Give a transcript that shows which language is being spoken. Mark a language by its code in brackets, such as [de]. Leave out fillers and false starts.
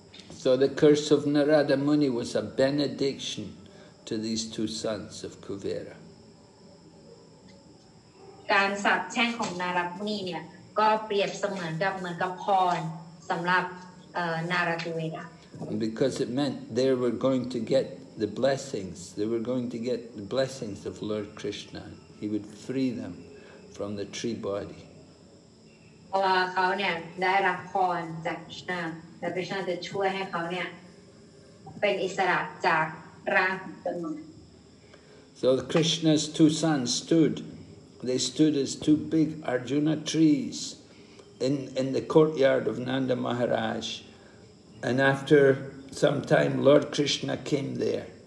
[en] So the curse of Narada Muni was a benediction to these two sons of Kuvera. [th] การสาปแช่งของนารดมุนีเนี่ยก็เปรียบเสมือนกับพรสำหรับนารดเวระ [en] Because it meant they were going to get the blessings. They were going to get the blessings of Lord Krishna. He would free them from the tree body. [th] เพราะว่าเขาเนี่ยได้รับพรจากคริสต์และคริสต์จะช่วยให้เขาเนี่ยเป็นอิสระจากร่างต้น [en] ไม้ So Krishna's two sons stood. They stood as two big Arjuna trees in the courtyard of Nanda Maharaj. And after some time, Lord Krishna came there.